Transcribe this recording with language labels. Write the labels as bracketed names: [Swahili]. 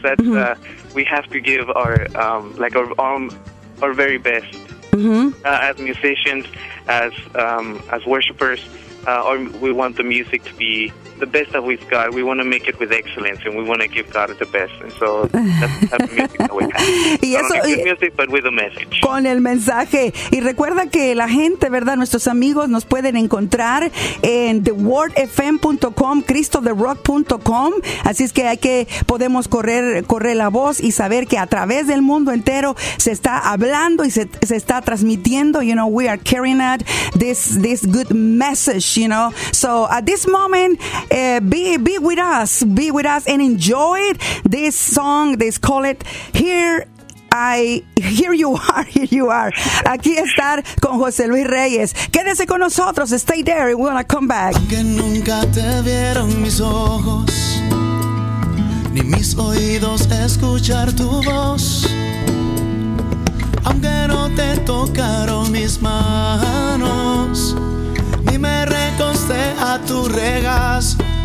[English] That's we have to give our very best as musicians, as worshipers. or we want the music to be the best that we've got. We want to make it with excellence, and we want to give God the best. And so that's the music that we have. Not only good music, but with a message. [Spanish] Con el mensaje. Y recuerda que la gente, ¿verdad? Nuestros amigos nos pueden encontrar en thewordfm.com, cristotherock.com. Así es que hay que, podemos correr la voz y saber que a través del mundo entero se está hablando y se está transmitiendo. [English] You know, we are carrying out this good message, you know. So at this moment, be with us. Be with us and enjoy it. This song, they call it Here You Are. [Spanish] Aquí estar con José Luis Reyes. Quédese con nosotros. [English] Stay there. We're going to come back. [Spanish] Aunque nunca te vieron mis ojos, ni mis oídos escuchar tu voz. Aunque no te tocaron mis manos, ni me recosté a tu regazo.